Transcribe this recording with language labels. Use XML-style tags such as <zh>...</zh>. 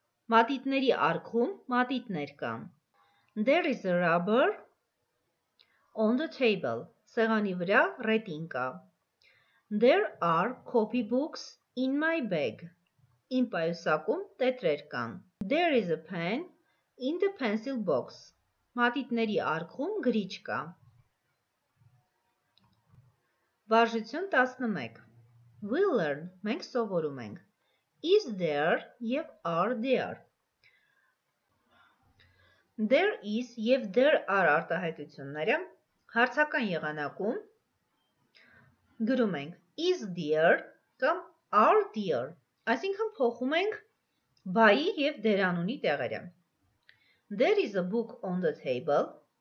<hy>Մատիտների արկղում մատիտներ կան.</hy> <en>There is a rubber on the table.</en> <hy>Սեղանի վրա ռետին կա.</hy> <en>There are copy books in my bag.</en> <hy>Իմ պայուսակում տետրեր կան.</hy> <en>There is a pen in the pencil box.</en> <hy>Մատիտների արկղում գրիչ կա. Վարժություն 11.</hy> <en>We learn,</en> <hy>մենք սովորում ենք.</hy> <en>Is there եւ are there. There is եւ there are արտահայտությունները հարցական եղանակում գրում ենք is there կամ are there, այսինքն փոխում ենք բայի եւ դերանունի տեղերը։ There is a book on the table.</en>